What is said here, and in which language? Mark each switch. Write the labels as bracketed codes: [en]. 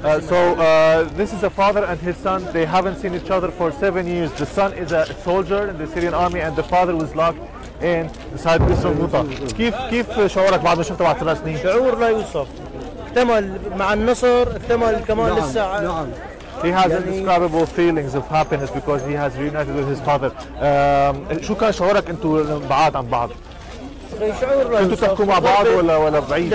[en] So this is a father and his son. They haven't seen each other for 7 years. The son is a soldier in the Syrian army and the father was locked inside this room. [ar] كيف شعورك بعد ما شفته بعد 3 سنين؟ شعور لا يوصف. اكتمل مع النصر اكتمل كمان نعم. لسه. نعم. [en] He has indescribable feelings of happiness because he has reunited with his father. [ar] شو كان شعورك انتو بعاد عن بعض؟ انتو تحكوا مع بعض ولا بعيد؟